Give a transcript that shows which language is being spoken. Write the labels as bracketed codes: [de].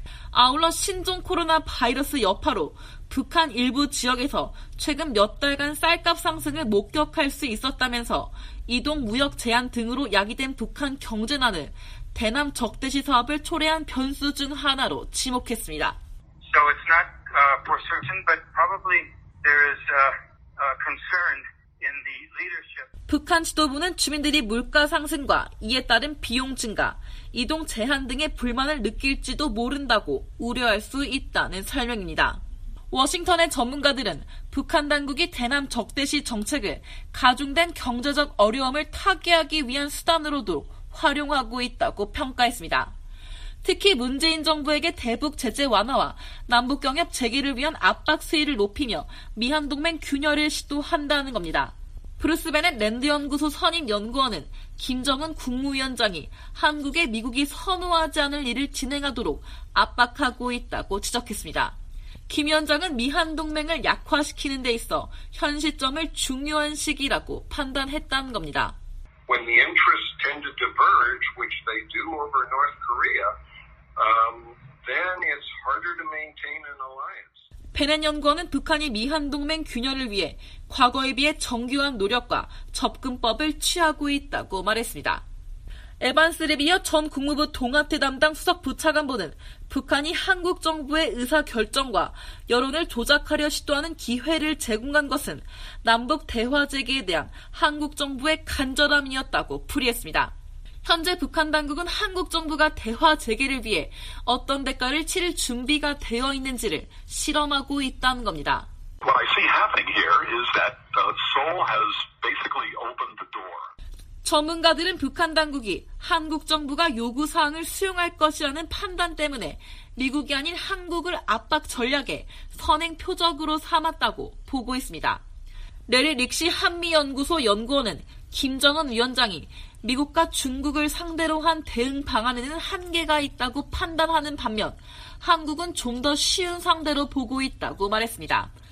[ko] 아울러 신종 코로나 바이러스 여파로 북한 일부 지역에서 최근 몇 달간 쌀값 상승을 목격할 수 있었다면서 이동 무역 제한 등으로 야기된 북한 경제난을 대남 적대시 사업을 초래한 변수 중 하나로 지목했습니다. [en] So it's not for certain, but probably there is a concern in the leadership. [ko] 북한 지도부는 주민들이 물가 상승과 이에 따른 비용 증가, 이동 제한 등의 불만을 느낄지도 모른다고 우려할 수 있다는 설명입니다. 워싱턴의 전문가들은 북한 당국이 대남 적대시 정책을 가중된 경제적 어려움을 타개하기 위한 수단으로도 활용하고 있다고 평가했습니다. 특히 문재인 정부에게 대북 제재 완화와 남북경협 재개를 위한 압박 수위를 높이며 미한동맹 균열을 시도한다는 겁니다. 브루스 베넷 랜드 연구소 선임 연구원은 김정은 국무위원장이 한국에 미국이 선호하지 않을 일을 진행하도록 압박하고 있다고 지적했습니다. 김 위원장은 미한 동맹을 약화시키는 데 있어 현 시점을 중요한 시기라고 판단했다는 겁니다. [en] When the interests tend to diverge, which they do over North Korea, then it's harder to maintain an alliance. [ko] 베넨 연구원은 북한이 미한 동맹 균열을 위해 과거에 비해 정교한 노력과 접근법을 취하고 있다고 말했습니다. 에반스 레비어 전 국무부 동아태 담당 수석 부차관보는 북한이 한국 정부의 의사결정과 여론을 조작하려 시도하는 기회를 제공한 것은 남북 대화 재개에 대한 한국 정부의 간절함이었다고 풀이했습니다. 현재 북한 당국은 한국 정부가 대화 재개를 위해 어떤 대가를 치를 준비가 되어 있는지를 실험하고 있다는 겁니다. [en] What I see happening here is that Seoul has basically opened the door. [ko] 전문가들은 북한 당국이 한국 정부가 요구사항을 수용할 것이라는 판단 때문에 미국이 아닌 한국을 압박 전략에 선행 표적으로 삼았다고 보고 있습니다. 레리 릭시 한미연구소 연구원은 김정은 위원장이 미국과 중국을 상대로 한 대응 방안에는 한계가 있다고 판단하는 반면 한국은 좀 더 쉬운 상대로 보고 있다고 말했습니다.